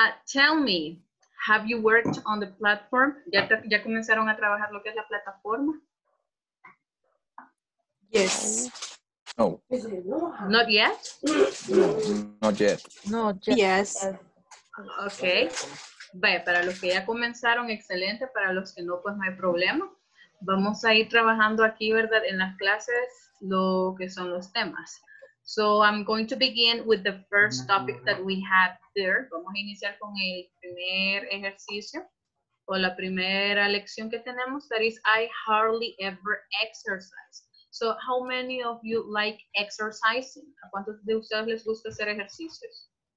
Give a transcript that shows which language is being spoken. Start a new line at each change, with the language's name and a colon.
English: Tell me, have you worked on the platform?
Spanish: ¿Ya comenzaron a trabajar lo que es la plataforma?
English: Yes. No. Not yet? Not yet. Not yet. Yes.
Spanish: Ok. Vaya, para los que ya comenzaron, excelente. Para los que no, pues no hay problema. Vamos a ir trabajando aquí, ¿verdad? En las clases, lo que son los temas.
English: So, I'm going to begin with the first topic that we had there.
Spanish: Vamos a iniciar con el primer ejercicio o la primera lección que tenemos.
English: That is, I hardly ever exercise. So, how many of you like exercising?
Spanish: ¿A cuántos de ustedes les gusta hacer ejercicios?